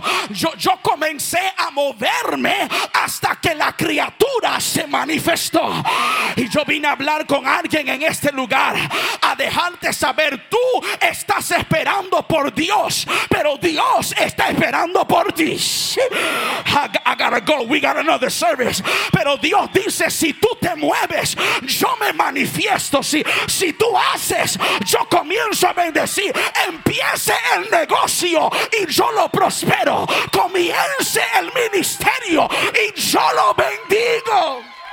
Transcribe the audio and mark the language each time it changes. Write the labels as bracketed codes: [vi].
[es] Yo comencé a moverme hasta que la criatura se manifestó. Y yo vine a hablar con alguien en este lugar a dejarte saber, tú estás esperando por Dios, pero Dios está esperando por ti. [en] I gotta go, we got another service. [es] Pero Dios dice, si tú te mueves, yo me manifiesto. Si tú haces, yo comienzo a bendecir. Empiece el negocio y yo lo prospero. Comience el ministerio y yo lo bendigo.